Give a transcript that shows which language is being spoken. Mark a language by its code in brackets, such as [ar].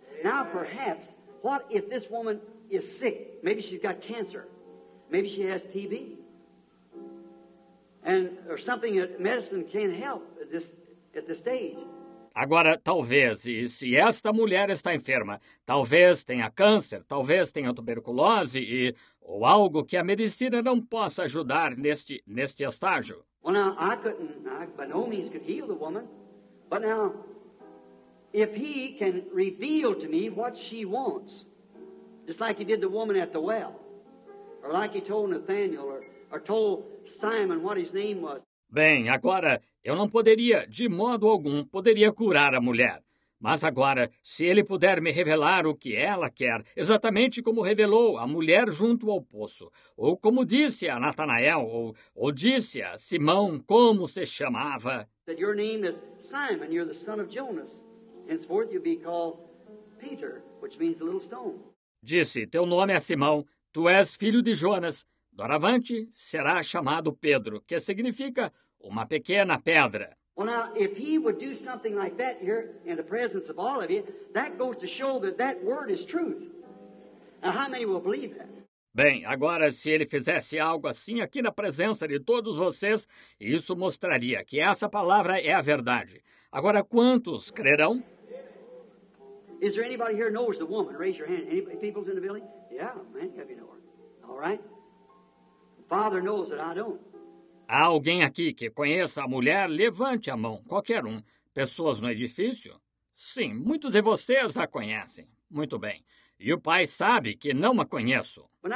[en] Now perhaps, what if this woman is sick? Maybe she's got cancer. Maybe she has TB. Or something that medicine can't help at this stage. [pt] Agora, talvez, e se esta mulher está enferma, talvez tenha câncer, talvez tenha tuberculose e ou algo que a medicina não possa ajudar neste estágio. [en] Well, now, I by no means could heal the woman. But now, if he can reveal to me what she wants, just like he did the woman at the well, or like he told Nathaniel, or told Simon what his name was. [pt] Bem, agora, eu não poderia, de modo algum, poderia curar a mulher. Mas agora, se ele puder me revelar o que ela quer, exatamente como revelou a mulher junto ao poço, ou como disse a Natanael, ou disse a Simão, como se chamava. [en] That your name is Simon, you're the son of Jonas. Henceforth you'll be called Peter, which means a little stone. [pt] Disse, teu nome é Simão. Tu és filho de Jonas. Doravante será chamado Pedro, que significa uma pequena pedra. [en] Well, now, if he would do something like that here in the presence of all of you, that goes to show that that word is truth. Now, how many will believe that? [pt] Bem, agora, se ele fizesse algo assim aqui na presença de todos vocês, isso mostraria que essa palavra é a verdade. Agora, quantos crerão? [en] Is there anybody here knows the woman? Raise your hand. Anybody, people's in the building? Yeah, many of you know her. All right. Father knows that I don't. [pt] Há alguém aqui que conheça a mulher? Levante a mão. Qualquer um. Pessoas no edifício? Sim, muitos de vocês a conhecem. Muito bem. E o pai sabe que não a conheço.